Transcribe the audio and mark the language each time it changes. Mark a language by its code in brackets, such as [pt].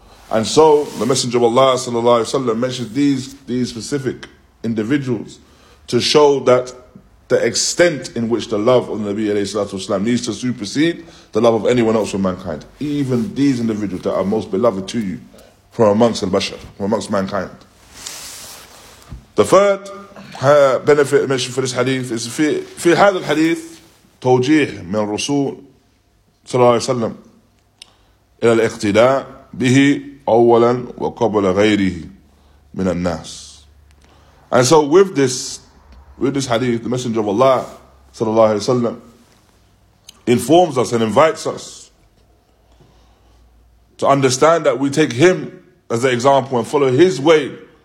[en] And so, the Messenger of Allah sallallahu alaihi wasallam mentions these specific individuals to show that the extent in which the love of the Nabi alayhi salatu wasalam needs to supersede the love of anyone else from mankind. Even these individuals that are most beloved to you from amongst al-Bashar, from amongst mankind. The third benefit mentioned for this hadith is [ar] في هذا الحديث توجيه من الرسول صلى الله عليه وسلم إلى الاقتداء به أولا وقبل غيره من الناس. [en] And so with this hadith, the Messenger of Allah صلى الله عليه وسلم informs us and invites us to understand that we take him as the example and follow his way.